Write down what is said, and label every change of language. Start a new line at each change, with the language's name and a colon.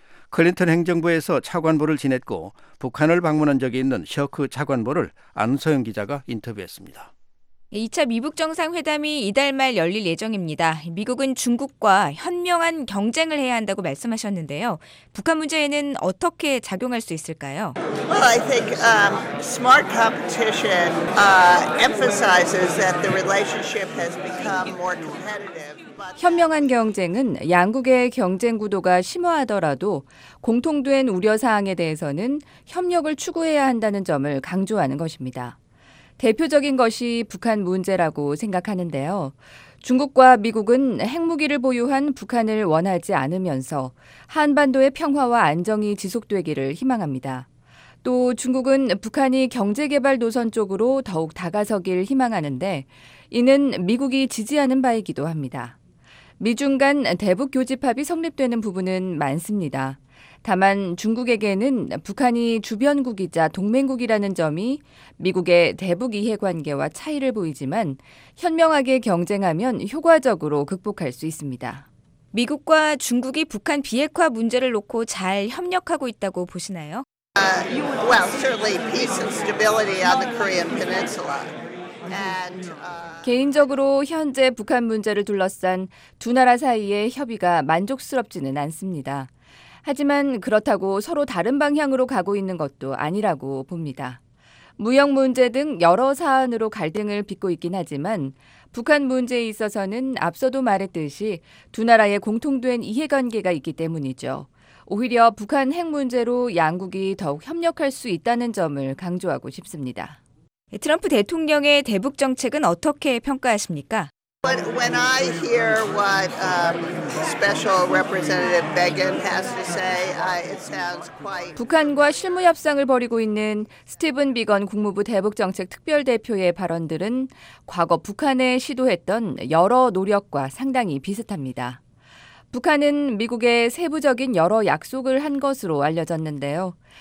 Korean: 클린턴 행정부에서 차관보를 지냈고 북한을 방문한 적이 있는 셔크 차관보를 안소영 기자가 인터뷰했습니다. 2차 미북 정상회담이 이달 말 열릴 예정입니다. 미국은 중국과 현명한 경쟁을 해야 한다고 말씀하셨는데요. 북한 문제에는 어떻게 작용할 수 있을까요?
English: Well, I think smart competition emphasizes that the relationship has become more competitive.
Korean: 현명한 경쟁은 양국의 경쟁 구도가 심화하더라도 공통된 우려사항에 대해서는 협력을 추구해야 한다는 점을 강조하는 것입니다. 대표적인 것이 북한 문제라고 생각하는데요. 중국과 미국은 핵무기를 보유한 북한을 원하지 않으면서 한반도의 평화와 안정이 지속되기를 희망합니다. 또 중국은 북한이 경제개발 노선 쪽으로 더욱 다가서길 희망하는데 이는 미국이 지지하는 바이기도 합니다. 미중 간 대북 교집합이 성립되는 부분은 많습니다. 다만 중국에게는 북한이 주변국이자 동맹국이라는 점이 미국의 대북 이해관계와 차이를 보이지만 현명하게 경쟁하면 효과적으로 극복할 수 있습니다. 미국과 중국이 북한 비핵화 문제를 놓고 잘 협력하고 있다고 보시나요?
English: Well, certainly peace and stability on the Korean Peninsula.
Korean: 개인적으로 현재 북한 문제를 둘러싼 두 나라 사이의 협의가 만족스럽지는 않습니다. 하지만 그렇다고 서로 다른 방향으로 가고 있는 것도 아니라고 봅니다. 무역 문제 등 여러 사안으로 갈등을 빚고 있긴 하지만 북한 문제에 있어서는 앞서도 말했듯이 두 나라의 공통된 이해관계가 있기 때문이죠. 오히려 북한 핵 문제로 양국이 더욱 협력할 수 있다는 점을 강조하고 싶습니다. 트럼프 대통령의 대북 정책은 어떻게 평가하십니까?
English: When I hear what Special Representative Begin has to say, it sounds quite.
Korean: 북한과 실무 협상을 벌이고 있는 스티븐 비건 국무부 대북정책특별대표의 발언들은 과거 북한에 시도했던 여러 노력과 상당히 비슷합니다. 북한은 미국에 세부적인 여러 약속을 한 것으로 알려졌는데요.